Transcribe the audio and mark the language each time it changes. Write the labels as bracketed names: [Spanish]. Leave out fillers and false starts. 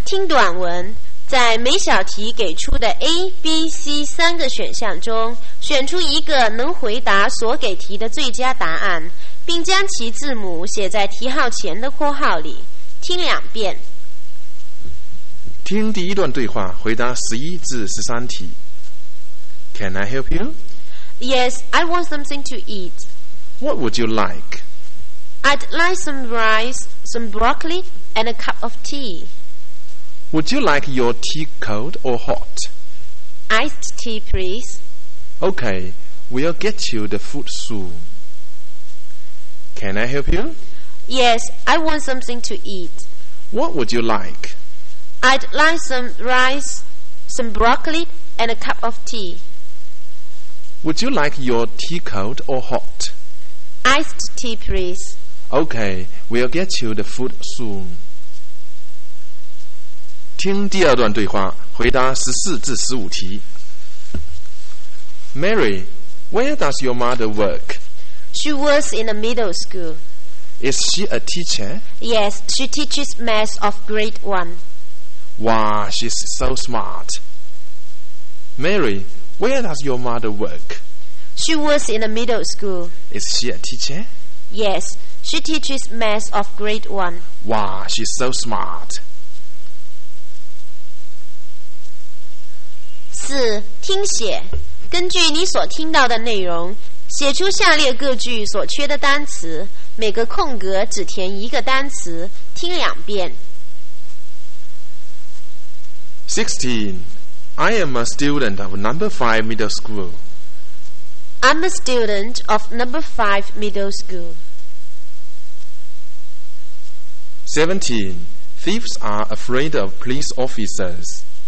[Chinese] 听短文，在每小题给出的 A、B、C 三个选项中，选出一个能回答所给题的最佳答案，并将其字母写在题号前的括号里。听两遍。听第一段对话，回答11至13题。 [English] Can I help you? Yes, I want something to eat. What would you like? I'd like some rice, some broccoli, and a cup of tea. Would you like your tea cold or hot? Iced tea, please. Okay, we'll get you the food soon. Can I help you? Yes, I want something to eat. What would you like? I'd like some rice, some broccoli, and a cup of tea. Would you like your tea cold or hot? Iced tea, please. Okay, we'll get you the food soon. [Chinese] 听第二段对话，回答14至15题。 [English] Mary, where does your mother work? She works in a middle school. Is she a teacher? Yes, she teaches math of grade 1. Wow, she's so smart. Mary, where does your mother work? She works in a middle school. Is she a teacher? Yes, she teaches math of grade 1. Wow, she's so smart. [Chinese] 四、听写。根据你所听到的内容，写出下列各句所缺的单词，每个空格只填一个单词，听两遍。 16. [English] I am a student of number 5 middle school. I'm a student of number 5 middle school. 17. Thieves are afraid of police officers.